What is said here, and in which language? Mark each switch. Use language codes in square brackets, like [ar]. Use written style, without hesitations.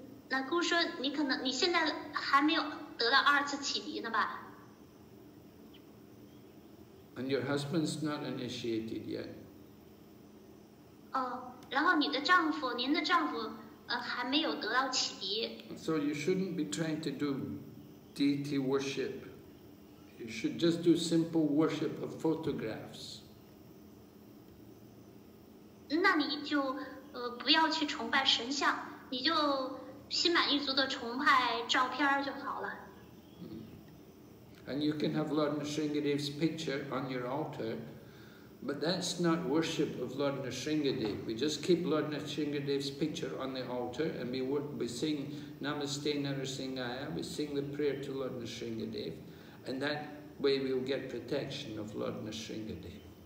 [zh] 那姑说你可能你现在还没有得到二次启迪呢吧。 [en] And your husband's not initiated yet. [zh] Oh, 然后你的丈夫，您的丈夫，还没有得到启迪。 [en] So you shouldn't be trying to do deity worship. You should just do simple worship of photographs. [zh] 那你就不要去崇拜神像，你就心满意足的崇拜照片就好了。 [en] And you can have Lord Nrsingadev's picture on your altar, but that's not worship of Lord Nrsingadev. We just keep Lord Nrsingadev's picture on the altar and we sing Namaste Narasingaya, we sing the prayer to Lord Nrsingadev, and that way we'll get protection of Lord Nrsingadev.